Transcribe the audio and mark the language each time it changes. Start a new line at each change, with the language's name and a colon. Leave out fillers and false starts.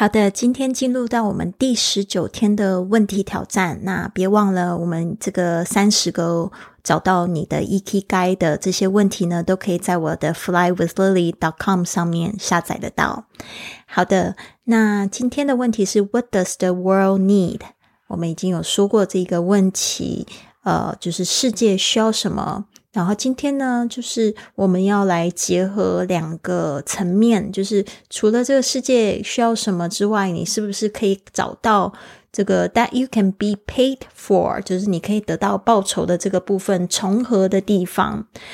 Chinese: 今天进入到我们第19天的问题挑战。那别忘了我们这个30个找到你的 Ikigai 的这些问题呢，都可以在我的 flywithlily.com 上面下载得到。好的，那今天的问题是
English: What does the world need？
Chinese: 我们已经有说过这个问题，就是世界需要什么。然后今天呢就是我们要来结合两个层面，就是除了这个世界需要什么之外，你是不是可以找到这个
English: that you can be paid for，
Chinese: 就是你可以得到报酬的这个部分重合的地方。